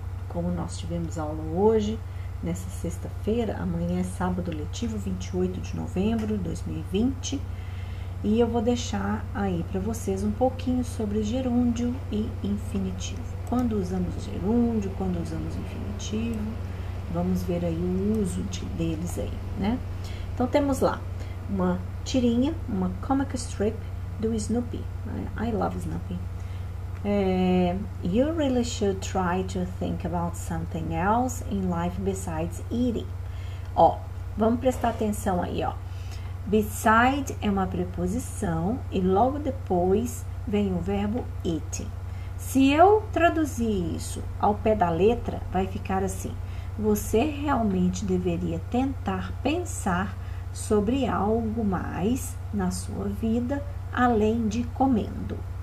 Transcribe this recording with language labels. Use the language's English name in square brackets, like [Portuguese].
[Portuguese] Como nós tivemos aula hoje, nessa sexta-feira, amanhã é sábado letivo, 28 de novembro de 2020, e eu vou deixar aí para vocês um pouquinho sobre gerúndio e infinitivo. Quando usamos gerúndio, quando usamos infinitivo, vamos ver aí o uso deles aí, né? Então temos lá uma tirinha, uma comic strip do Snoopy. [English] I love Snoopy. You really should try to think about something else in life besides eating. [Portuguese] Ó, vamos prestar atenção aí, ó. Beside é uma preposição e logo depois vem o verbo eating. Se eu traduzir isso ao pé da letra, vai ficar assim: você realmente deveria tentar pensar sobre algo mais na sua vida além de comendo.